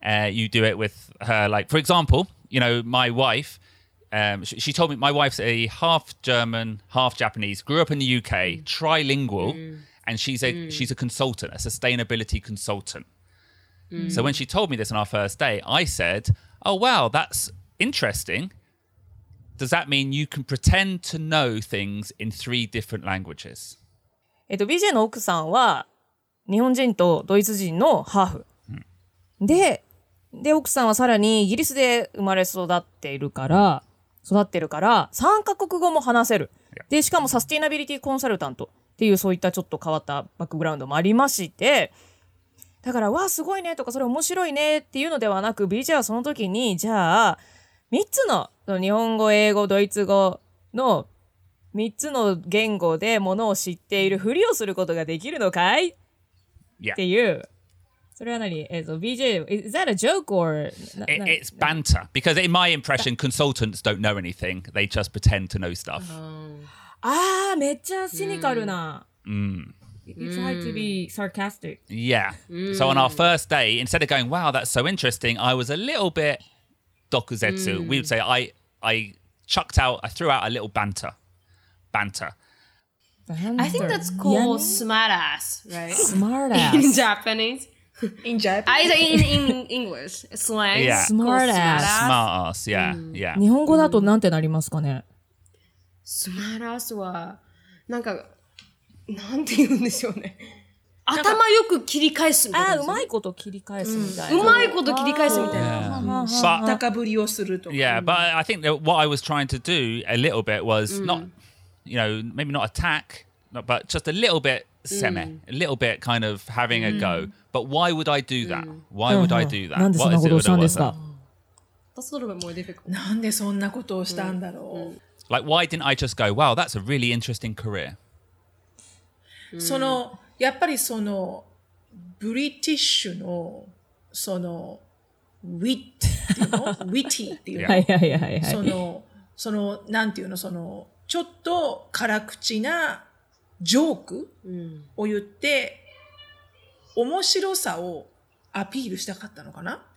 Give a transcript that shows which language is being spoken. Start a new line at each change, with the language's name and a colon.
English: you do it with her, like, for example, you know, my wife, she told me my wife's a half German, half Japanese, grew up in the UK, trilingual, and she's a consultant, a sustainability consultant. So when she told me this on our first day, I said, oh, wow, that's interesting. Does that mean you can pretend to know things in three different languages?
Japanese: BJ の奥さんは日本人とドイツ人のハーフ。で、奥さんはさらにイギリスで生まれ育ってるから、3カ国語も話せる。で、しかもサスティナビリティコンサルタントっていうそういったちょっと変わったバックグラウンドもありまして、だから、わあ、すごいねとか、それ面白いねっていうのではなく、BJ はその時に、じゃあ、3つの、日本語、英語、ドイツ語の3つの言語でものを知っているふりをすることができるのかい？っていう。それは何？
English: BJ, is that a joke or... It's banter. Because in my impression, consultants don't know anything. They just pretend to know stuff.
Japanese: ああ、めっちゃシニカルな。
English: You try to be sarcastic. Yeah. So on our first day, instead of going, wow, that's so interesting, I was a little bit dokuzetsu. We would say I threw out a little banter. Banter. I think that's called smartass, right? Smartass. In Japanese. In Japanese? In English. Slang. Yeah. Smart ass. Smart ass, yeah. Mm. Yeah.
Japanese: 日本語だとなんてなりますかね、 Smart ass は、なんか、なんて言うんでしょうね。頭よく切り返すみたいな。あ、うまいこと切り返すみたいな。うまいこと切り返すみたいな。知ったかぶりをするとか。
English: Yeah, but I think that what I was trying to do a little bit was not, you know, maybe not attack, but just a little bit seme, a little bit kind of having a go. But why would I do that? Why would I do that?
Japanese: なんでそんなことをしたんですか?
English: That's a little bit more difficult.
Japanese: なんでそんなことをしたんだろう?
English: Like, why didn't I just go, wow, that's a really interesting career?
Japanese: そのやっぱりそのブリティッシュのそのウィッティっていうの、ウィティっていうの、
English: yeah.
Japanese: そのなんていうの、そのちょっと辛口なジョークを言って、うん、面白さをアピールしたかったのかな。